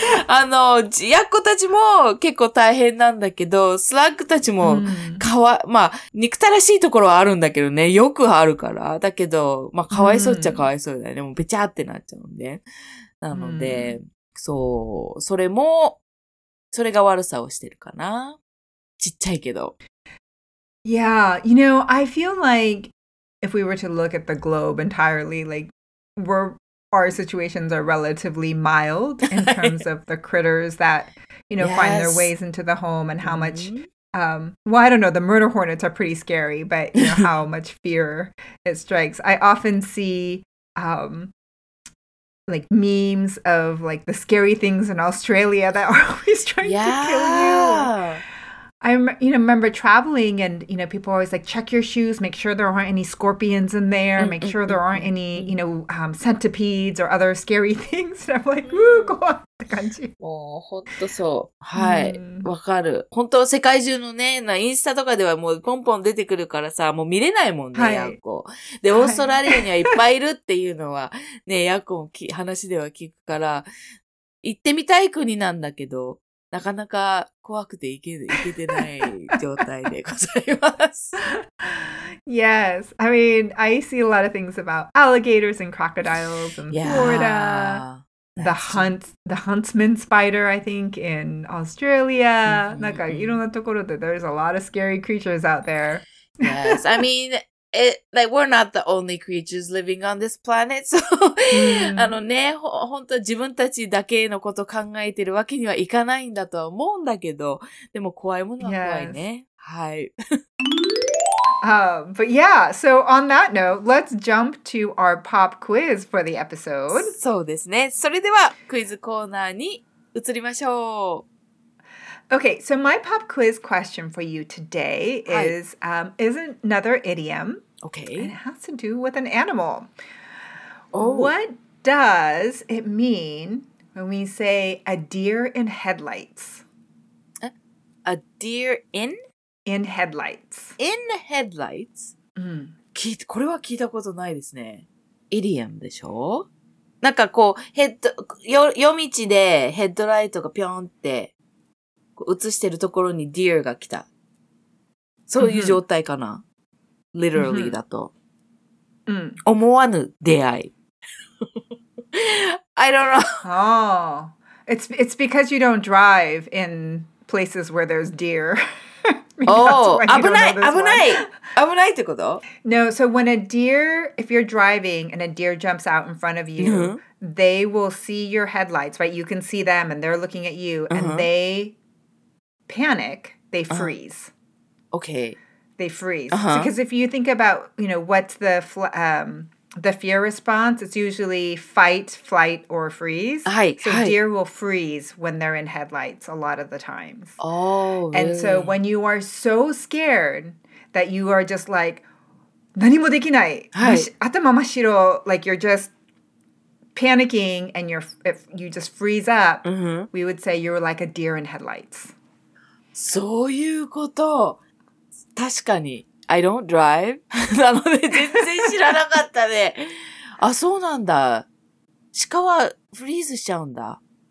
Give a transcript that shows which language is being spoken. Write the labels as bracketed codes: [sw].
[ja] あの、やっこたちも結構大変なんだけど、スラッグたちも可哀、mm. まあ、憎たらしいところはあるんだけどね、よくあるから。だけど、まあ、かわいそうっちゃかわいそうだよね。Mm. もう、ぺちゃってなっちゃうんで。なので、mm. そう、それも、それが悪さをしてるかな。ちっちゃいけど。 [en] Yeah, you know, I feel like if we were to look at the globe entirely, like, our situations are relatively mild in terms of the critters that, you know,、yes. find their ways into the home and how、mm-hmm. much, well, I don't know, the murder hornets are pretty scary, but you know, how much fear it strikes. I often see, like memes of like the scary things in Australia that are always trying、 yeah. to kill you. I you know, remember traveling and you know, people always like check your shoes, make sure there aren't any scorpions in there, mm-hmm. make sure there aren't any, you know, centipedes or other scary things. And I'm like, woo, go on, [ja] って感じ。もう本当そう。はい。わかる。本当世界中のね、なインスタとかではもうポンポン出てくるからさ、もう見れないもんね、ヤッコ。で、オーストラリアにはいっぱいいるっていうのは、ね、ヤッコも話では聞くから、行ってみたい国なんだけど、なかなか怖くて行けてない状態でございます。 [en] Yes, I mean, I see a lot of things about alligators and crocodiles in Florida. The huntsman spider, I think, in Australia. [ja] なんかいろんなところで [en] there's a lot of scary creatures out there. Yes, I mean, we're not the only creatures living on this planet. [ja] So, あのね、本当自分たちだけのこと考えてるわけにはいかないんだとは思うんだけど、でも怖いものは怖いね。はい。 [en] But yeah, so on that note, let's jump to our pop quiz for the episode. [ja] そうですね。それではクイズコーナーに移りましょう。 [en] Okay, so my pop quiz question for you today is,、はい、is another idiom. Okay. And it has to do with an animal.、 Oh. What does it mean when we say a deer in headlights? A deer in? In headlights. In headlights?、 Mm. [ja] これは聞いたことないですね。イリアンでしょ？なんかこう、夜道でヘッドライトがピョンって映してるところにディアが来た。そういう状態かな。literally だと。うん。思わぬ出会い。 [en] I don't know. Oh. It's because you don't drive in places where there's deer. [ja] Oh, 危ない、危ないってこと? [en] No, so when a deer, if you're driving and a deer jumps out in front of you, they will see your headlights, right? You can see them and they're looking at you and they panic, they freeze. Okay. They freeze. Because if you think about, you know, what's the fear response, it's usually fight, flight, or freeze. Deer will freeze when they're in headlights a lot of the times. Oh, really? And so when you are so scared that you are just like, [ja] 何もできない。頭真っ白。 [en] Like you're just panicking and you just freeze up, we would say you're like a deer in headlights. [ja] そういうこと。確かに。 [en] I don't drive. [ja] なので全然知らなかったね。あ、そうなんだ。鹿はフリーズしちゃうんだ。